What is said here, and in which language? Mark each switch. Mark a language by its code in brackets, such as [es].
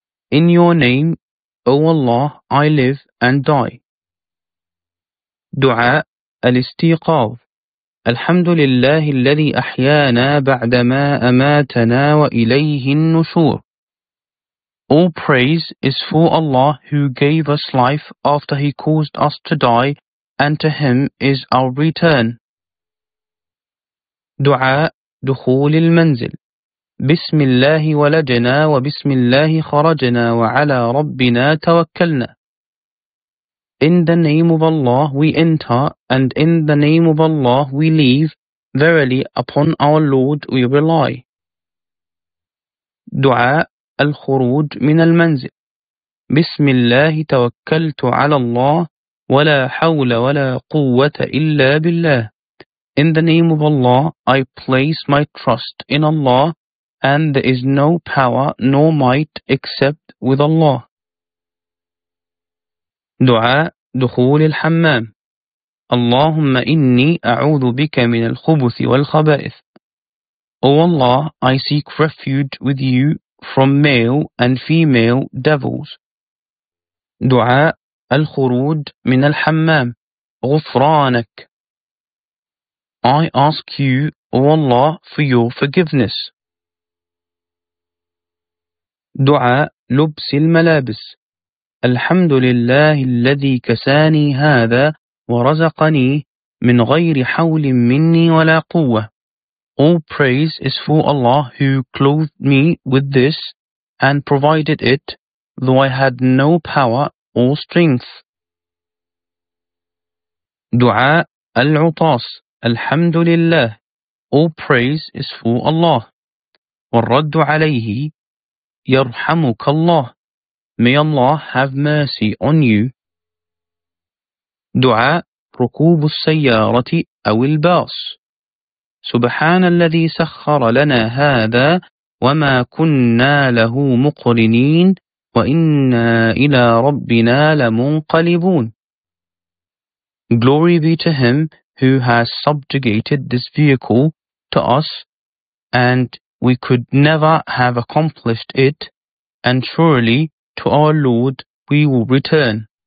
[en] In your name, O Allah, I live and die. [ar] دعاء الاستيقاظ. الحمد لله الذي أحيانا بعدما أماتنا وإليه النشور. [en] All praise is for Allah who gave us life after he caused us to die, and to him is our return. [ar] دعاء دخول المنزل. بسم الله ولجنا وبسم الله خرجنا وعلى ربنا توكلنا. [en] In the name of Allah we enter, and in the name of Allah we leave. Verily, upon our Lord we rely. [ar] دعاء الخروج من المنزل. بسم الله توكلت على الله ولا حول ولا قوة إلا بالله. [en] In the name of Allah I place my trust in Allah, and there is no power nor might except with Allah. [ar] دعاء دخول الحمام. اللهم إني أعوذ بك من الخبث والخبائث. [en] O Allah, I seek refuge with you from male and female devils. [ar] دعاء الخروج من الحمام. غفرانك. [en] I ask you, O Allah, for your forgiveness. [ar] دعاء لبس الملابس. الحمد لله الذي كساني هذا ورزقني من غير حول مني ولا قوة. [en] All praise is for Allah who clothed me with this and provided it, though I had no power or strength. [ar] دعاء العطاس. الحمد لله. [en] All praise is for Allah. [ar] والرد عليه. يرحمك الله. [en] May Allah have mercy on you. [ar] دعاء ركوب السيارة أو الباص. سبحان الذي سخر لنا هذا وما كنا له مقرنين وإنا إلى ربنا لمنقلبون. [en] Glory be to him who has subjugated this vehicle to us, and we could never have accomplished it, and surely to our Lord we will return.